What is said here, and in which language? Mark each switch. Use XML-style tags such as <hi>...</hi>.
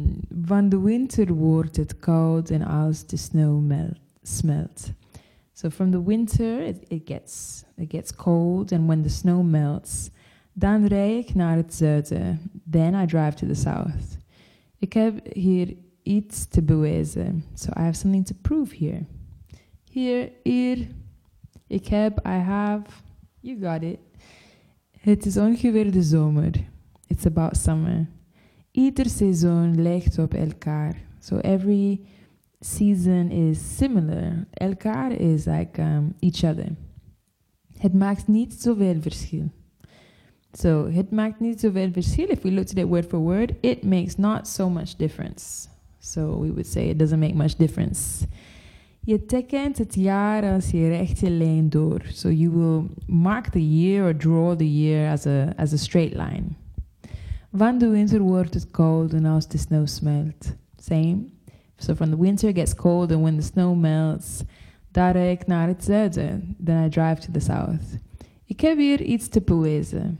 <nl>Van de winter wordt het koud en als de sneeuw smelt.</nl> <en>So from the winter it gets cold, and when the snow melts,</en> <nl>dan rij ik naar het zuiden.</nl> <en>Then I drive to the south.</en> <nl>Ik heb hier iets te bewijzen.</nl> <en>So I have something to prove here.</en> <nl>Hier, ik heb,</nl> <en>I have, you got it.</en> <nl>Het is ongeveer de zomer.</nl> <en>It's about summer.</en> <nl>Ieder seizoen lijkt op elkaar.</nl> <en>So every season is similar.</en> <nl>Elkaar</nl> <en>is like each other.</en> <nl>Het maakt niet zoveel verschil. So het maakt niet zoveel verschil.</nl> <en>If we looked at it word for word, it makes not so much difference. So we would say it doesn't make much difference.</en> <nl>Je tekent het jaar als je rechte lijn door.</nl> <en>So you will mark the year or draw the year as a straight line.</en> <nl>Van de winter wordt het koud en als de sneeuw smelt. Same.</nl> <en>So from the winter it gets cold, and when the snow melts,</en> <nl>daar ik naar het zuiden.</nl> <en>Then I drive to the south.</en> <nl>Ik heb hier iets te bewijzen.</nl>